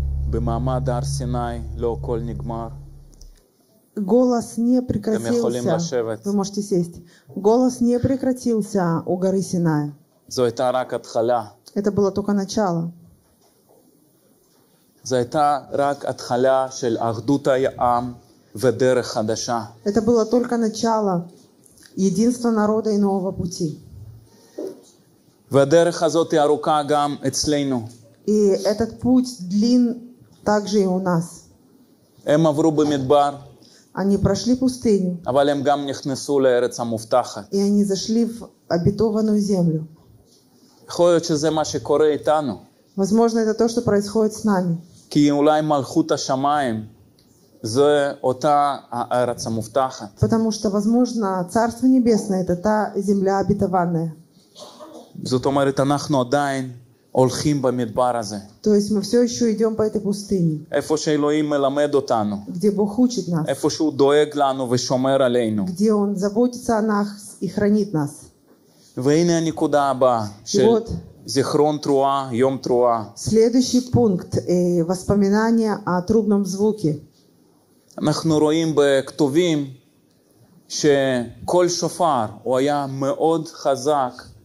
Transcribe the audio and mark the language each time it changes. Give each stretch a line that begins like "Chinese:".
Hebrew: במעמד הר סיני לא הכל נגמר.
Russian: Голос не прекратился. Вы можете сесть. Голос не прекратился у горы Синай.
Hebrew: זו הייתה רק התחלה.
Russian: Это было только начало.
Hebrew: זו הייתה רק התחלה של אחדות העם ודרך חדשה.
Russian: Это было только начало единства народа и нового пути.
Hebrew: והדרך הזאת היא ארוכה גם אצלנו.
Russian: И этот путь длин также и у нас.
Hebrew: הם עברו במדבר.
Russian: Они прошли пустыню.
Hebrew: אבל הם גם נכנסו לארץ המובטחת.
Russian: И они зашли в обетованную землю.
Hebrew: יכול להיות שזה מה שקורה איתנו.
Russian: Возможно, это то, что происходит с нами.
Hebrew: כי אולי מלכות השמיים זה אותה הארץ המובטחת.
Russian: Потому что, возможно, царство небесное это та земля обетованная.
Hebrew: זאת אומרת, אנחנו עדיין הולכים במדבר הזה.
Russian: То есть мы все еще идем по этой пустыне.
Hebrew: איפה שאלוהים מלמד אותנו.
Russian: Где Бог учит нас.
Hebrew: איפה שהוא דואג לנו ושומר עלינו.
Russian: Где Он заботится о нас и хранит нас.
Hebrew: והנה הנקודה הבאה. של вот. זיכרון תרועה, יום תרועה.
Russian: Следующий пункт. Воспоминания о трубном звуке.
Hebrew: אנחנו רואים בכתובים שכל שופר הוא היה מאוד חזק.